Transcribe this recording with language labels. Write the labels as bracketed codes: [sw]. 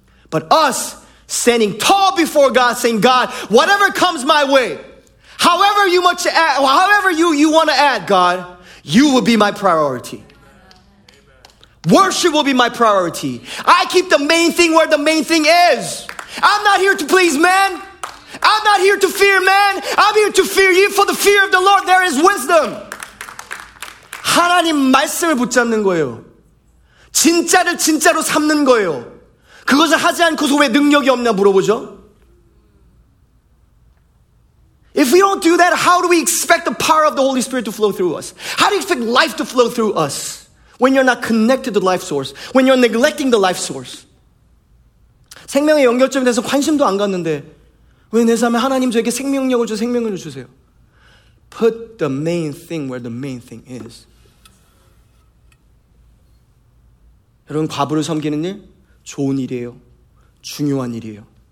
[en] But us standing tall before God, saying, God, whatever comes my way, however you want to add, God, you will be my priority. Amen. Worship will be my priority. I keep the main thing where the main thing is. I'm not here to please man. I'm not here to fear man. I'm here to fear you. For the fear of the Lord, there is wisdom. [ko] 하나님 말씀을 붙잡는 거예요. 진짜를 진짜로 삼는 거예요. 그것을 하지 않고서 왜 능력이 없냐 물어보죠. [en] If we don't do that, how do we expect the power of the Holy Spirit to flow through us? How do you expect life to flow through us when you're not connected to the life source? When you're neglecting the life source? [ko] 생명의 연결점에 대해서 관심도 안 갔는데 왜 내 삶에 하나님 저에게 생명력을 주세요, 생명을 주세요. [en] Put the main thing where the main thing is. [ko] 여러분, 과부를 섬기는 일 좋은 일이에요. 중요한 일이에요.